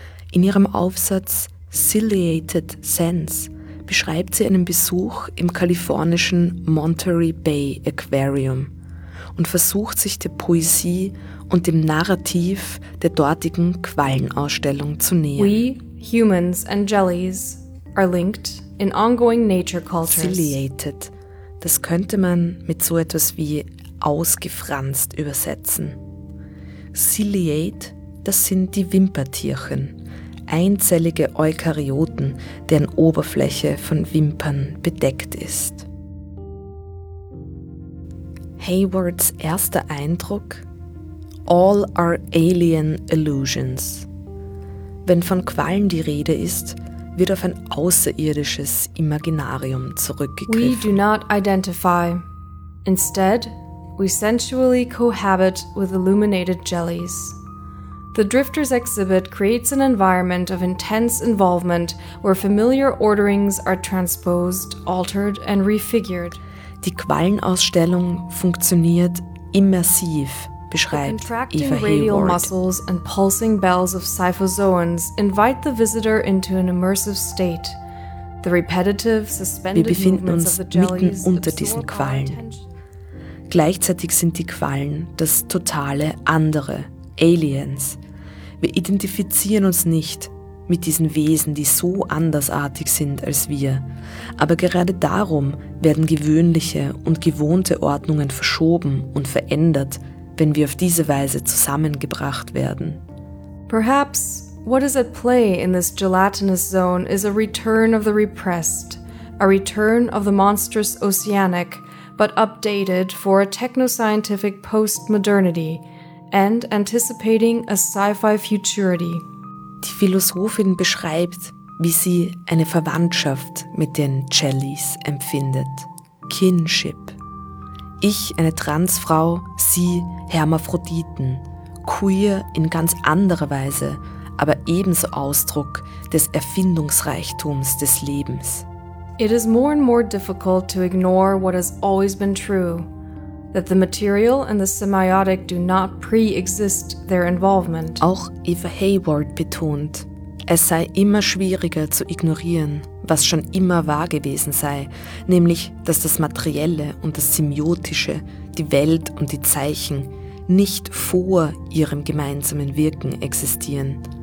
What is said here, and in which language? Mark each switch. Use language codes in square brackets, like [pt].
[de] In ihrem Aufsatz Ciliated Sense beschreibt sie einen Besuch im kalifornischen Monterey Bay Aquarium und versucht sich der Poesie und dem Narrativ der dortigen Quallenausstellung zu nähern. [en] We, humans and jellies, are linked in ongoing nature cultures. [de] Ciliated, das könnte man mit so etwas wie ausgefranst übersetzen. Ciliate, das sind die Wimpertierchen, einzellige Eukaryoten, deren Oberfläche von Wimpern bedeckt ist. Haywards erster Eindruck? [en] All are alien illusions. [de] Wenn von Quallen die Rede ist, wird auf ein außerirdisches Imaginarium zurückgegriffen. [en] We do not identify. Instead, we sensually cohabit with illuminated jellies. The Drifters exhibit creates an environment of intense involvement where familiar orderings are transposed, altered and refigured. [de] Die Quallenausstellung funktioniert immersiv, beschreibt Eva Hayward. [en] The contracting radial muscles and pulsing bells of Siphozoans invite the visitor into an immersive state. The repetitive suspended movements of the jellies. [de] Wir befinden uns mitten unter diesen Quallen. Gleichzeitig sind die Quallen das totale andere, Aliens. Wir identifizieren uns nicht mit diesen Wesen, die so andersartig sind als wir. Aber gerade darum werden gewöhnliche und gewohnte Ordnungen verschoben und verändert, wenn wir auf diese Weise zusammengebracht werden. [en] Perhaps what is at play in this gelatinous zone is a return of the repressed, a return of the monstrous oceanic, but updated for a techno-scientific post-modernity, and anticipating a sci-fi futurity. [de] Die Philosophin beschreibt, wie sie eine Verwandtschaft mit den Jellies empfindet. Kinship. Ich eine Transfrau, sie Hermaphroditen. Queer in ganz anderer Weise, aber ebenso Ausdruck des Erfindungsreichtums des Lebens. [en] It is more and more difficult to ignore what has always been true. That the material and the semiotic do not pre-exist their involvement. [de] Auch Eva Hayward betont, es sei immer schwieriger zu ignorieren, was schon immer wahr gewesen sei, nämlich, dass das Materielle und das Semiotische, die Welt und die Zeichen, nicht vor ihrem gemeinsamen Wirken existieren.